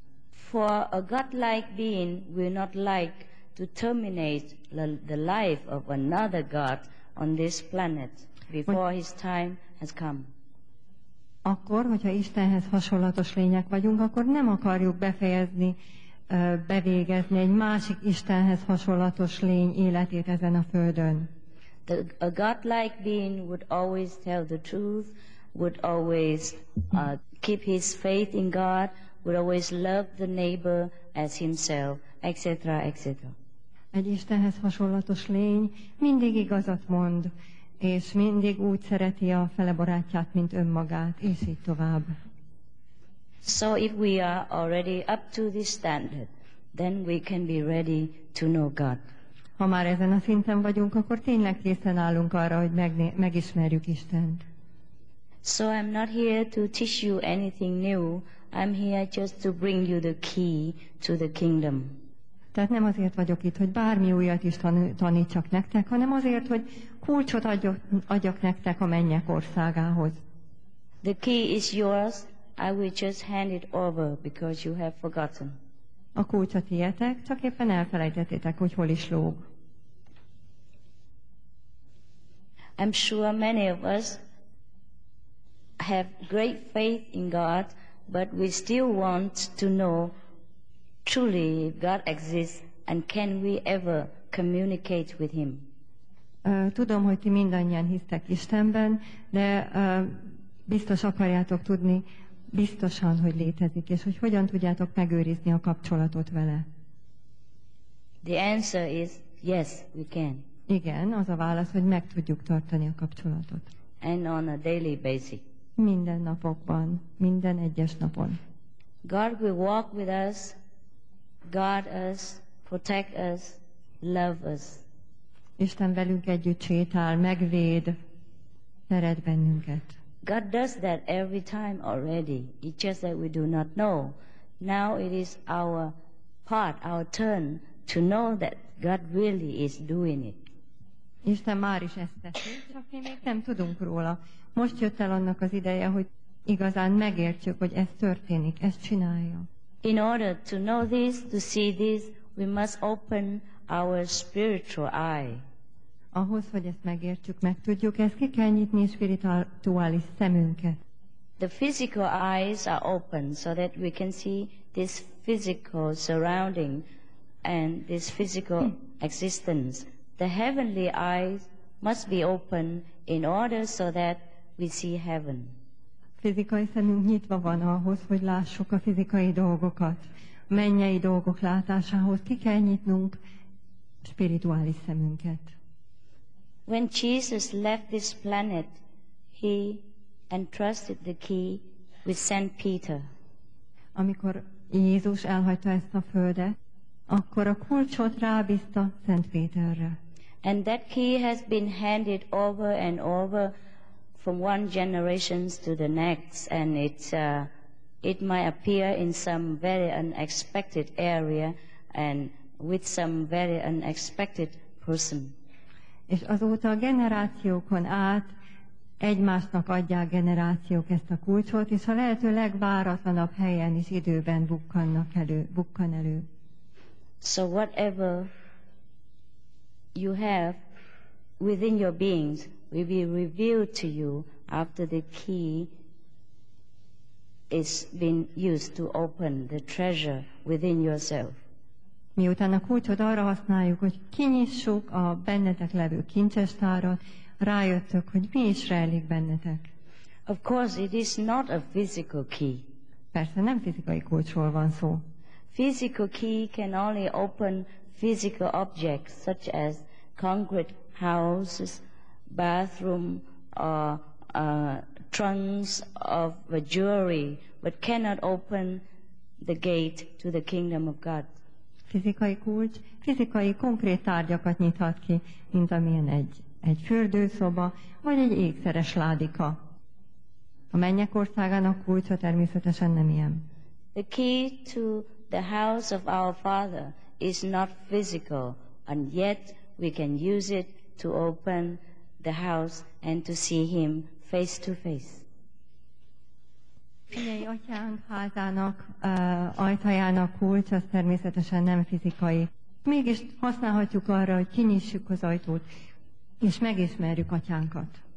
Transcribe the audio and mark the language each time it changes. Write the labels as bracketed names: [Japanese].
[English] For a God-like being will not like to terminate the life of another God on this planet before his time has come. [Hungarian] Akkor, hogyha Istenhez hasonlatos lények vagyunk, akkor nem akarjuk befejezni, bevégezni egy másik Istenhez hasonlatos lény életét ezen a földön. [English] A God-like being would always tell the truth, would always keep his faith in God, would always love the neighbor as himself, etc., etc. [Hungarian] Egy Istenhez hasonlatos lény mindig igazat mond, és mindig úgy szereti a fele barátját, mint önmagát, és így tovább. [English] So if we are already up to this standard, then we can be ready to know God. [Hungarian] Ha már ezen a szinten vagyunk, akkor tényleg készen állunk arra, hogy megismerjük Istent. [English] So I'm not here to teach you anything new. I'm here just to bring you the key to the kingdom. [Hungarian] Tehát nem azért vagyok itt, hogy bármi újat is tanítsak nektek, hanem azért, hogy kulcsot adjak nektek a mennyek országához. [English] The key is yours. I will just hand it over because you have forgotten. [Hungarian] A kulcs a tietek, csak éppen elfelejtettétek, hogy hol is lóg. [English] I'm sure many of us have great faith in God, but we still want to know truly if God exists and can we ever communicate with Him. [Hungarian] Tudom, hogy ti mindannyian hisztek Istenben, de biztos akarjátok tudni, biztosan, hogy létezik, és hogy hogyan tudjátok megőrizni a kapcsolatot vele. [English] The answer is yes, we can. [Hungarian] Igen, az a válasz, hogy meg tudjuk tartani a kapcsolatot. [English] And on a daily basis. [Hungarian] Minden napokban, minden egyes napon. [English] God will walk with us, guard us, protect us, love us. [Hungarian] Isten velünk együtt sétál, megvéd, szeret bennünket. [English] God does that every time already. It's just that we do not know. Now it is our part, our turn to know that God really is doing it. [Hungarian] Isten már is ezt teszi, csak mi még nem tudunk róla. Most jött el annak az ideje, hogy igazán megértsük, hogy ez történik, ezt csinálja. [English] In order to know this, to see this, we must open our spiritual eye. [Hungarian] Ahhoz, hogy ezt megértsük, meg tudjuk, ezt ki kell nyitni spirituális szemünket. [English] The physical eyes are open so that we can see this physical surrounding and this physical existence, the heavenly eyes must be open in order so that we see heaven. [Hungarian] Fizikai szemünk nyitva van ahhoz, hogy lássuk a fizikai dolgokat. Mennyei dolgok látásához ki kell nyitnunk spirituális szemünket. [English] When Jesus left this planet, he entrusted the key with Saint Peter. [Hungarian] Amikor Jézus elhagyta ezt a földet, akkor a kulcsot rábízta Szent Péterre. [English] And that key has been handed over and over from one generation to the next, and it might appear in some very unexpected area and with some very unexpected person. [Hungarian] És azóta generációkon át egymásnak adják generációk ezt a kulcsot, és a lehető legváratlanabb helyen is időben bukkan elő. [English] So whatever you have within your beings will be revealed to you after the key is been used to open the treasure within yourself. [Hungarian] Miután a kulcsot arra használjuk, hogy kinyissuk a bennetek levő kincstárat, rájöttök, hogy mi is rejlik bennetek. [English] Of course, it is not a physical key. [Hungarian] Persze nem fizikai kulcsról van szó. [English] Physical key can only open physical objects such as concrete houses, bathroom, or trunks of a jewelry, but cannot open the gate to the kingdom of God. [Hungarian] Fizikai kulcs, fizikai konkrét tárgyakat nyithat ki, mint amilyen egy fürdőszoba, vagy egy ékszeres ládika. A mennyek országának kulcsa természetesen nem ilyen. [English] The key to the house of our Father is not physical, and yet we can use it to open the house and to see Him face to face. [Hungarian] Mennyei atyánk házának ajtajának kulcs az természetesen nem fizikai. Mégis használhatjuk arra, hogy kinyissuk az ajtót, és megismerjük atyánkat.